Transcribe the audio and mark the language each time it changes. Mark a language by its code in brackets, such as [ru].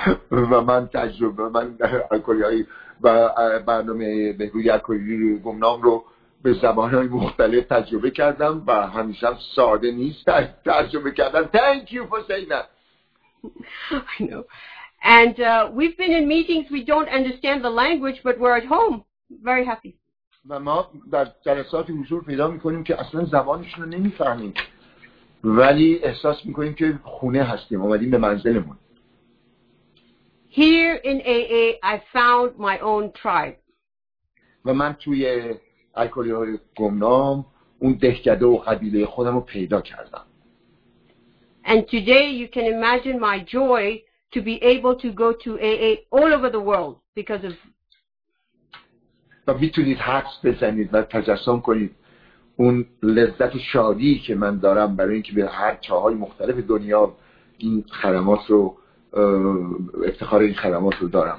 [fa] و من تجربه من در الکلیان و برنامه بهبودی الکلیان گمنام رو به زبان‌های مختلف تجربه کردم و همیشه ساده نیست ترجمه کردن. [en] Thank you for saying that. I know. And we've been in meetings, we don't understand the language, but we're at home. Very happy. [fa] و ما در جلساتی حضور پیدا میکنیم که اصلا زبانشون رو نمیفهمیم. ولی احساس میکنیم که خونه هستیم، اومدیم به منزلمون. [en] Here in AA, I found my own tribe. [fa] و من توی الکلیان گمنام اون دهکده و قبیله خودم رو پیدا کردم. [en] And today you can imagine my joy to be able to go to AA all over the world because of. [fa] و میتونید حدس بزنید و تجسم کنید اون لذت و شادی که من دارم برای اینکه به هر جاهای مختلف دنیا این خدمات رو افتخار این خدمات رو دارم.